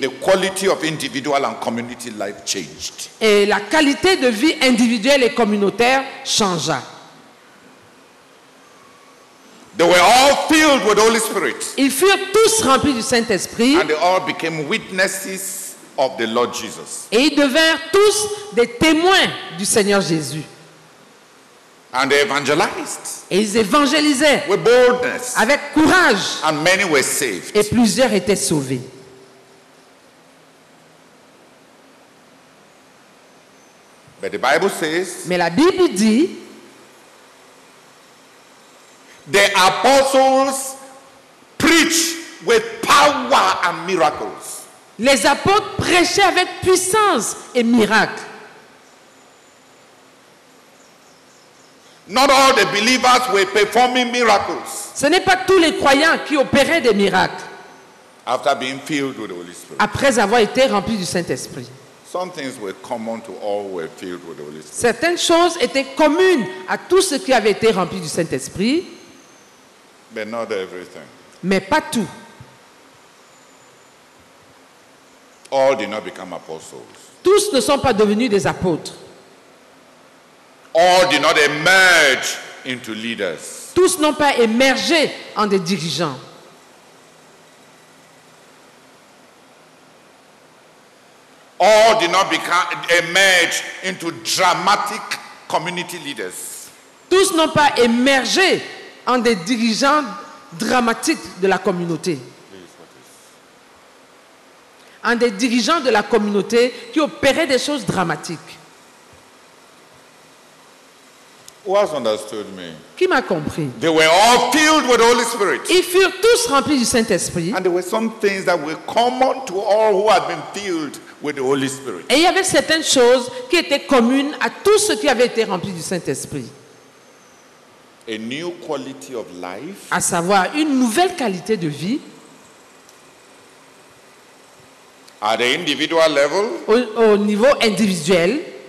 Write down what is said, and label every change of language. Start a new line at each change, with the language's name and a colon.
English: The quality of individual and community life changed.
French: Et la qualité de vie individuelle et communautaire changea.
English: They were all filled with Holy Spirit.
French: Ils furent tous remplis du Saint-Esprit.
English: And they all became witnesses of the Lord Jesus.
French: Et ils devinrent tous des témoins du Seigneur Jésus.
English: And they evangelized.
French: Et ils évangélisaient
English: with boldness.
French: Avec courage.
English: And many were saved.
French: Et plusieurs étaient sauvés.
English: But the Bible says,
French: mais la Bible dit,
English: the apostles preached with power and miracles.
French: Les apôtres prêchaient avec puissance et miracles.
English: Not all the believers were performing miracles.
French: Ce n'est pas tous les croyants qui opéraient des miracles.
English: After being filled with the Holy Spirit.
French: Après avoir été remplis du Saint-Esprit.
English: Some things were common to all who were filled with the Holy Spirit.
French: Certaines choses étaient communes à tous ceux qui avaient été remplis du Saint-Esprit.
English: But not everything.
French: Mais pas tout.
English: All did not become apostles.
French: Tous ne sont pas devenus des apôtres.
English: All did not emerge into leaders.
French: Tous n'ont pas émergé en des dirigeants.
English: All did not emerge into dramatic community leaders.
French: Tous n'ont pas émergé en des dirigeants dramatiques de la communauté. En des dirigeants de la communauté qui opéraient des choses dramatiques.
English: Who has understood me?
French: Qui m'a compris?
English: They were all filled with the Holy Spirit.
French: Ils furent tous remplis du Saint-Esprit.
English: And there were some things that were common to all who had been filled with the Holy Spirit.
French: Et il y avait certaines choses qui étaient communes à tous ceux qui avaient été remplis du Saint-Esprit.
English: A new quality of life.
French: À savoir une nouvelle qualité de vie.
English: At the individual level.
French: Au niveau individuel.